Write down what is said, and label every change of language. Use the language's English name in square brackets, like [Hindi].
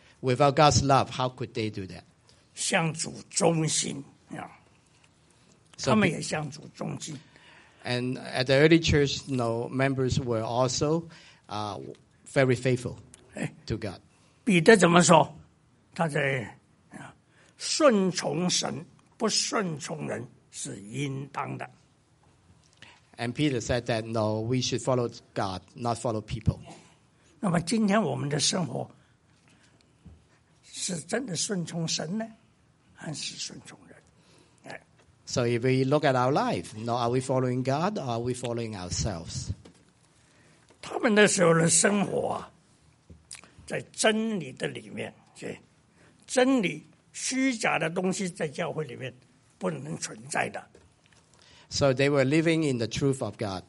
[English] Without God's love, how could they do that? [Chinese] 向主忠心、yeah. 他们也向主忠心。 [English] And at the early church, members were also very faithful to God. [Chinese] 彼得怎么说？他在顺从神，不顺从人是应当的。 [English] And Peter said that no, we should follow God, not follow people. [Chinese] 那么今天我们的生活是真的顺从神呢，还是顺从人？ [English] So if we look at our life, no, are we following God or are we following ourselves? [Chinese] 他们那时候的生活啊，在真理的里面，真理虚假的东西在教会里面不能存在的。 [English] So they were living in the truth of God.